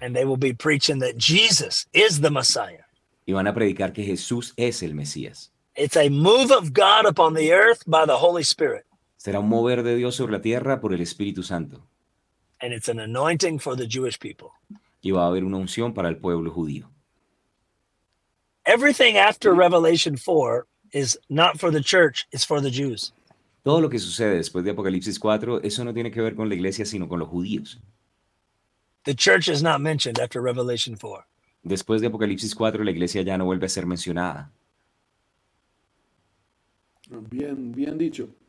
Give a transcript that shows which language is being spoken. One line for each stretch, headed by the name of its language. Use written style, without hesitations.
English: and they will be preaching that Jesus is the Messiah,
Spanish: y van a predicar que Jesús es el Mesías.
English: It's a move of God upon the earth by the Holy Spirit.
Spanish: Será un mover de Dios sobre la tierra por el Espíritu Santo.
English: And it's an anointing for the Jewish people.
Spanish: Y va a haber una unción para el pueblo judío.
English: Everything after Revelation 4 is not for the church, it's for the Jews.
Spanish: Todo lo que sucede después de Apocalipsis 4, eso no tiene que ver con la iglesia, sino con los judíos.
English: The church is not mentioned after Revelation 4.
Spanish: Después de Apocalipsis 4, la iglesia ya no vuelve a ser mencionada. Bien, bien dicho.